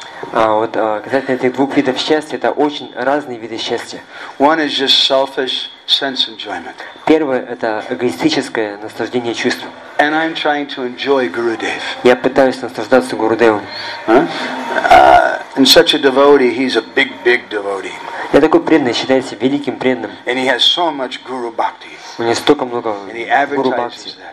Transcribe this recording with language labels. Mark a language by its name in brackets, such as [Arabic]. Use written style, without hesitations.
[Russian] Касательно этих двух видов счастья, это очень разные виды счастья. [English] One is just selfish sense enjoyment. [Russian] Первое – это эгоистическое наслаждение чувств. [English] And I'm trying to enjoy Gurudev. [Russian] Я пытаюсь наслаждаться Гурудевом. [English] And such a devotee, he's a big, big devotee. [Russian] Я такой преданный, считается великим преданным. [English] And he has so much guru bhakti. [Russian] У него столько много гуру бхакти.